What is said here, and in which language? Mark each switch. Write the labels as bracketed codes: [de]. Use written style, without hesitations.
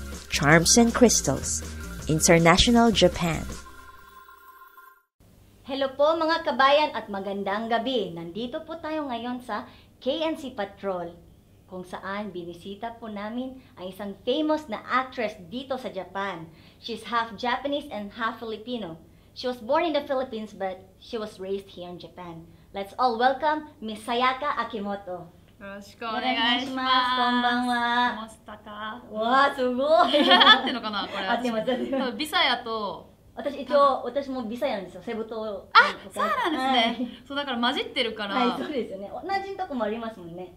[en] Charms and Crystals. International Japan. [tl] Hello po mga kabayan at magandang gabi. Nandito po tayo ngayon sa KNC Patrol, kung saan binisita po namin ang isang famous na actress dito sa Japan. [en] She's half Japanese and half Filipino. She was born in the Philippines but she was raised here in Japan. Let's all welcome Miss Sayaka Akimoto. [ja] よろしくお願いします。こんばんは。もしたか。わあ、すごい。合ってるのかな、これ。合ってます、合ってます。ビサヤと私、一応私もビサヤなんですよ、セブ島。あ、そうなんですね、はい、そうだから混じってるから。はい、そうですよね。同じとこもありますもんね。